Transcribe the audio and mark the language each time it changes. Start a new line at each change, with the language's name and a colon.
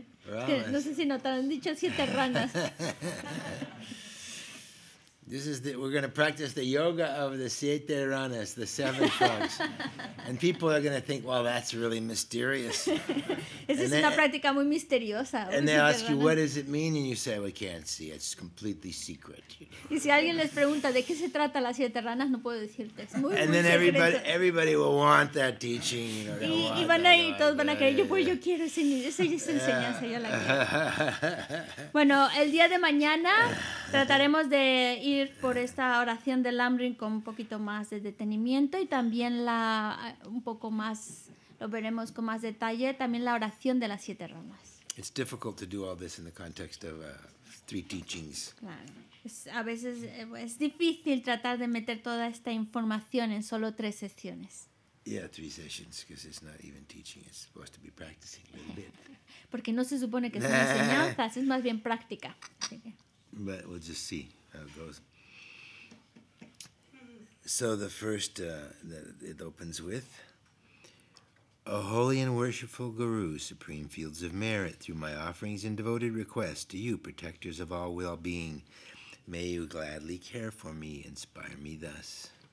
Spanish: No sé si notaron, dicho siete ranas.
English: This is the, we're going to practice the yoga of the siete ranas, the seven frogs. And people are going to think, well, that's really mysterious.
Spanish: Esa es una práctica muy misteriosa.
English: And they ask you, what does it mean? And you say, we can't see. It's completely secret.
Spanish: Y si alguien les pregunta, ¿de qué se trata las siete ranas? No puedo decirte. Es muy, muy secreto.
English: And then everybody will want that teaching. You know,
Spanish: y van a ir, todos van a creer, yo quiero esa enseñanza, yo la quiero. Bueno, el día de mañana trataremos de ir por esta oración de Lamrim con un poquito más de detenimiento y también la un poco más, lo veremos con más detalle, también la oración de las siete ranas.
English: It's difficult to do all this in the context of three teachings.
Spanish: Claro. A veces es difícil tratar de meter toda esta información en solo tres sesiones.
English: Yeah, three sessions, because it's not even teaching, it's supposed to be practicing a little bit.
Spanish: Porque no se supone que es una enseñanza, es más bien práctica.
English: But we'll just see how it goes. So the first that it opens with, O holy and worshipful Guru, supreme fields of merit, through my offerings and devoted requests to you, protectors of all well-being, may you gladly care for me, inspire me thus.